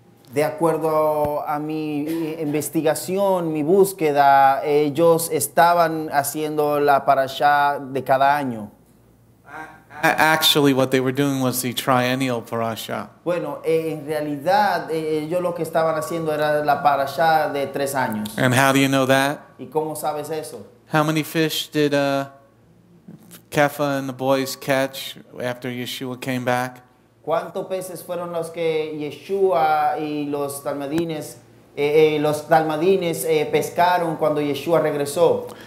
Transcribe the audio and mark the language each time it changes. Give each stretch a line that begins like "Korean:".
Spanish: De acuerdo a mi investigación, mi búsqueda, ellos estaban haciendo la parasha de cada año.
English: Actually, what they were doing was the triennial parasha.
Spanish: Bueno, en realidad, ellos lo que estaban haciendo era la parasha de tres años.
English: And how do you know that?
Spanish: ¿Y cómo sabes eso?
English: How many fish did Kepha and the boys catch after Yeshua came back?
Spanish: ¿Cuántos peces fueron los que Yeshua y los talmadines, pescaron cuando Yeshua regresó?